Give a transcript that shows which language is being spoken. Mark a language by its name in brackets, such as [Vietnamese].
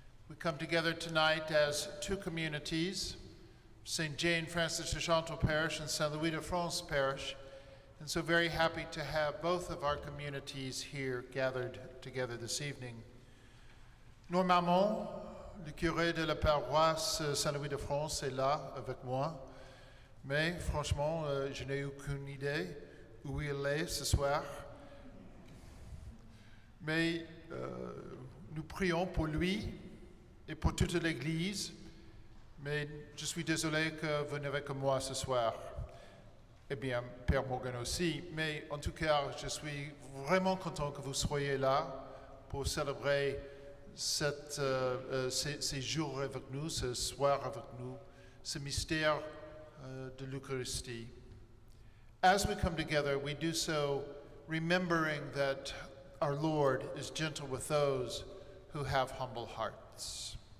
[English] We come together tonight as two communities, St. Jane Francis de Chantal Parish and St. Louis de France Parish, and so very happy to have both of our communities here gathered together this evening. [French] Normalement, le curé de la paroisse St. Louis de France est là avec moi, mais franchement, je n'ai aucune idée où il est ce soir. Mais nous prions pour lui et pour toute l'Église. Mais je suis désolé que vous n'avez que moi ce soir. Eh bien, Père Morgan aussi. Mais en tout cas, je suis vraiment content que vous soyez là pour célébrer ces jours avec nous, ce soir avec nous, ce mystère de l'Eucharistie. [English] As we come together, we do so remembering that our Lord is gentle with those who have humble hearts.